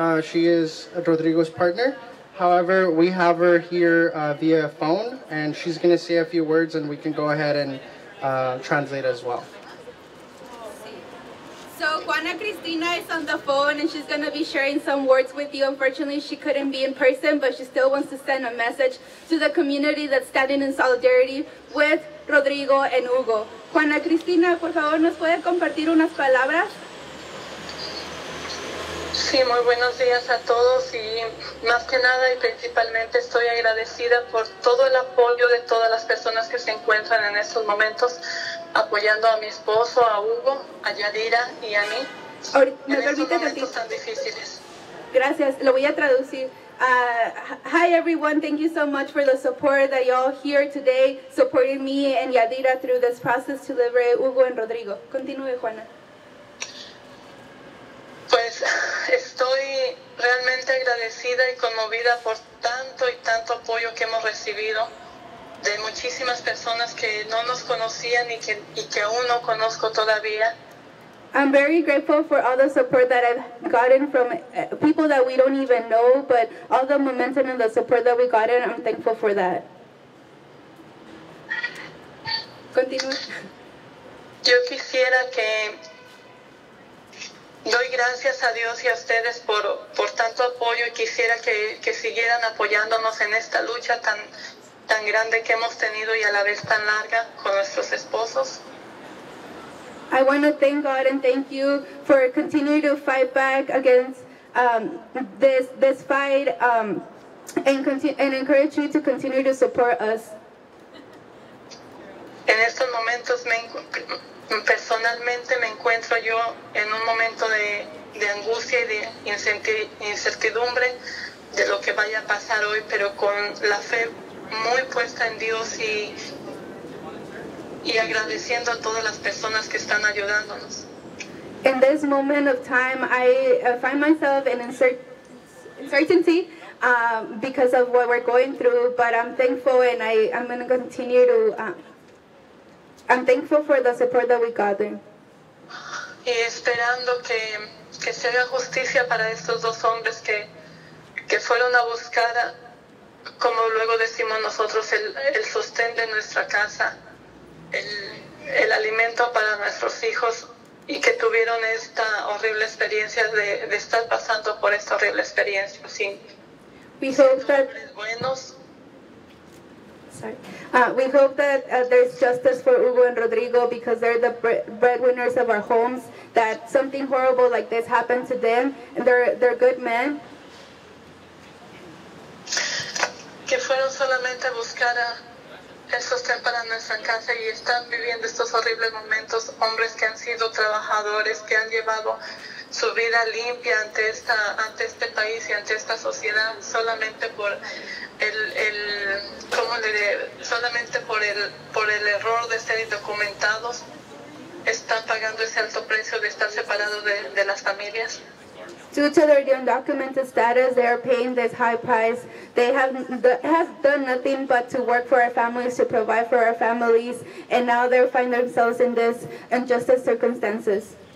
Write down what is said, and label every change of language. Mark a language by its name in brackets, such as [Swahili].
[English] She is Rodrigo's partner. However, we have her here via phone, and she's going to say a few words, and we can go ahead and translate as well. So Juana Cristina is on the phone, and she's going to be sharing some words with you. Unfortunately, she couldn't be in person, but she still wants to send a message to the community that's standing in solidarity with Rodrigo and Hugo. [Spanish] Juana Cristina, por favor, ¿nos puede compartir unas palabras? Sí, muy buenos días a todos y más que nada y principalmente estoy agradecida por todo el apoyo de todas las personas que se encuentran en estos momentos apoyando a mi esposo, a Hugo, a Yadira y a mí en estos momentos tan difíciles. Gracias, lo voy a traducir. [English] Hi everyone, thank you so much for the support that y'all here today supporting me and Yadira through this process to liberate Hugo and Rodrigo. [Spanish] Continúe, Juana. Pues estoy realmente agradecida y conmovida por tanto y tanto apoyo que hemos recibido de muchísimas personas que no nos conocían y que aún no conozco todavía. [English] I'm very grateful for all the support that I've gotten from people that we don't even know, but all the momentum and the support that we gotten, I'm thankful for that. [Spanish] Continúe. Yo quisiera que... Doy gracias a Dios y a ustedes por tanto apoyo y quisiera que siguieran apoyándonos en esta lucha tan grande que hemos tenido y a la vez tan larga con nuestros esposos. [English] I want to thank God and thank you for continuing to fight back against this fight and encourage you to continue to support us. [Spanish] En estos momentos personalmente me encuentro yo en un momento de angustia y de incertidumbre de lo que vaya a pasar hoy, pero con la fe muy puesta en Dios y agradeciendo a todas las personas que están ayudándonos. [English] In this moment of time, I find myself in uncertainty because of what we're going through, but I'm thankful and I'm going to continue to... I'm thankful for the support that we got there. [Spanish] Y esperando que se haga justicia para estos dos hombres que fueron a buscar, como luego decimos nosotros, el sostén de nuestra casa, el alimento para nuestros hijos, y que tuvieron esta horrible experiencia de estar pasando por esta horrible experiencia. Sí. [English] We hope that... [Spanish] buenos. [English] Sorry. We hope that there's justice for Hugo and Rodrigo because they're the breadwinners of our homes, that something horrible like this happened to them, and they're good men. [Spanish] Que fueron solamente a buscar a el sostén para nuestra casa y están viviendo estos horribles momentos, hombres que han sido trabajadores, que han llevado su vida limpia ante este país y ante esta sociedad solamente por el error de ser indocumentados, están pagando ese alto precio de estar separados de las familias. [English] Due to their undocumented status, they are paying this high price. They have done nothing but to work for our families, to provide for our families, and now they find themselves in this unjust circumstances.